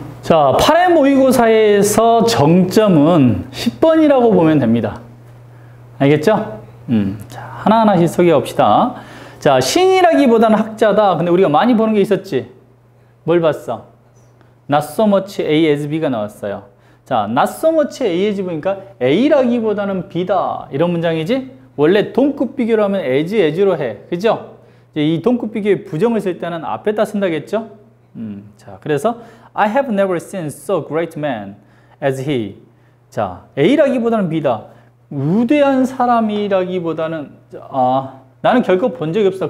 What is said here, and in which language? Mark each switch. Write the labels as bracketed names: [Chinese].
[Korean] 자, 8회 모의고사에서 정점은 10번이라고 보면 됩니다. 알겠죠? 자, 하나하나씩 소개합시다. 자, 신이라기보다는 학자다. 근데 우리가 많이 보는 게 있었지? 뭘 봤어? [English] Not so much A as B [Korean] 가 나왔어요. 자, not so much A as B 보니까 A라기보다는 B다. 이런 문장이지? 원래 동급 비교를 하면 as, as로 해. 그죠? 이제 이 동급 비교의 부정을 쓸 때는 앞에다 쓴다겠죠? [English] 자, 그래서 I have never seen so great man as he. [Korean] 자, A라기보다는 B다. 우대한 사람이라기보다는 나는 결코 본 적이 없어.